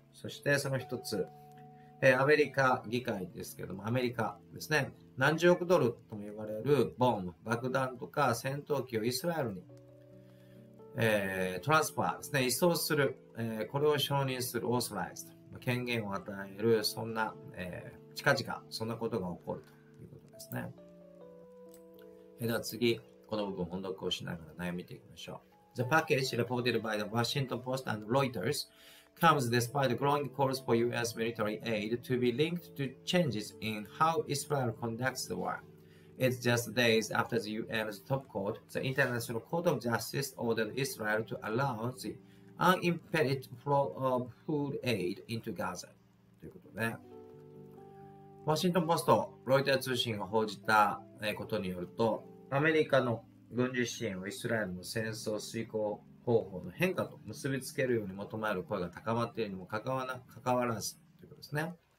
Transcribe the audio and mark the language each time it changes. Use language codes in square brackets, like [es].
[ja] そしてその一つ、アメリカ議会ですけども、アメリカですね、何十億ドルとも言われるボム、爆弾とか戦闘機をイスラエルに、トランスファーですね、移送する、これを承認する、オーソライズ、権限を与える、そんな、近々、そんなことが起こるということですね。では次、この部分、音読をしながら悩みていきましょう。 [en] The package reported by the Washington Post and Reuters. comes despite growing calls for U.S. military aid to be linked to changes in how Israel conducts the war. It's just days after the U.N.'s top court, the International Court of Justice, ordered Israel to allow the unimpeded flow of food aid into Gaza. [ja] ということで、ワシントン・ポスト、ロイター通信が報じたことによると、アメリカの軍事支援をイスラエルの戦争遂行方法の変化と結びつけるように求める声が高まっているにもかかわらずということですね。